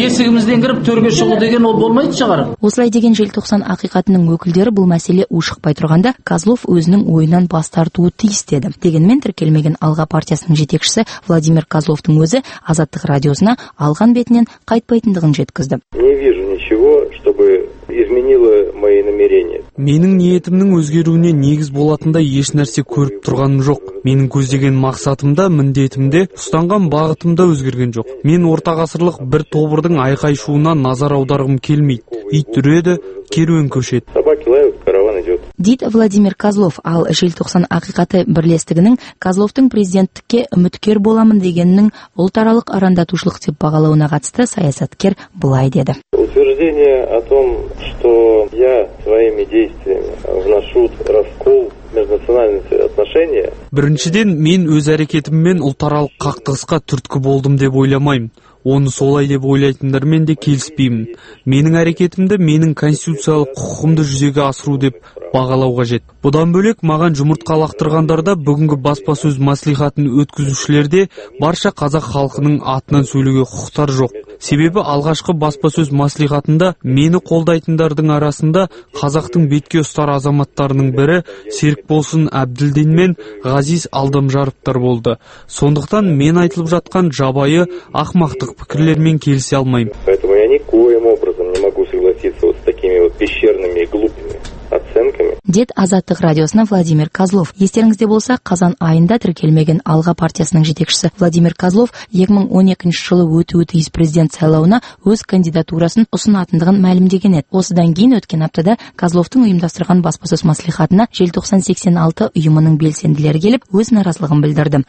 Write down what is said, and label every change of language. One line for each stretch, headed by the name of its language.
Kazakh: Есігімізден кіріп төрге шығу деген ол болмайды шығар. Осылай деген желтоқсан ақиқатының өкілдері бұл мәселе ушықпай тұрғанда Козлов өзінің ойынан бас тартуы тиіс деді. Дегенмен тіркелмеген алға партиясының жетекшісі Владимир Козловтың өзі Азаттық радиосына алған бетінен қайтпайтындығын жеткізді.
Russian: Не вижу ничего, чтобы изменило мои намерения.
Kazakh: Менің ниетімнің өзгеруіне негіз болатындай еш нәрсе көріп тұрғаным жоқ. Менің көздеген мақсатымда, міндетімде, ұстанған бағытымда өзгерген жоқ. Мен орта ғасырлық бір тобырдың айқай шуына назар аударғым келмейді. Ит үреді, керуен көшеді.
Russian: Собаки лают, караван идет.
Kazakh: Дейді Владимир Козлов, ал желтоқсан ақиқаты бірлестігінің Козловтың президенттікке үміткер боламын дегеннің ұлтаралық арандатушылық деп бағалауына қатысты саясаткер былай деді.
Russian: Утверждение о том, что я своими действиями вношу раскол межнациональные отношения.
Kazakh: Біріншіден мен өз әрекетіммен ұлтаралық қақтығысқа түрткі болдым деп ойламаймын. оны солай деп ойлайтындармен де келіспеймін. Менің әрекетімді менің конституциялық құқымды жүзеге асыру деп бағалау қажет. Бұдан бөлек маған жұмыртқа лақтырғандарда бүгінгі баспасөз мәслихатын өткізушілерде барша қазақ халқының атынан сөйлеуге құқықтары жоқ. Себебі алғашқы баспасөз мәслихатында мені қолдайтындардың арасында қазақтың бетке ұстар азаматтарының бірі Серікболсын Әбділден мен Ғазиз Алдамжаровтар болды. Сондықтан мен айтылып жатқан жабайы ақымақтық пікірлермен келісе алмаймын.
Russian: Поэтому я никоим образом не могу согласиться вот с такими вот пещерными и глупыми оценками.
Kazakh: Дед Азаттық радиосына Владимир Козлов. Естеріңізде болса, қазан айында тіркелмеген Алға партиясының жетекшісі Владимир Козлов 2012 жылы өтуі тиіс президент сайлауына өз кандидатурасын ұсынатындығын мәлімдеген еді. Осыдан кейін өткен аптада Козловтың ұйымдастырған баспасөз мәслихатына 90-86 ұйымының белсенділері келіп, өз наразылығын білдірді.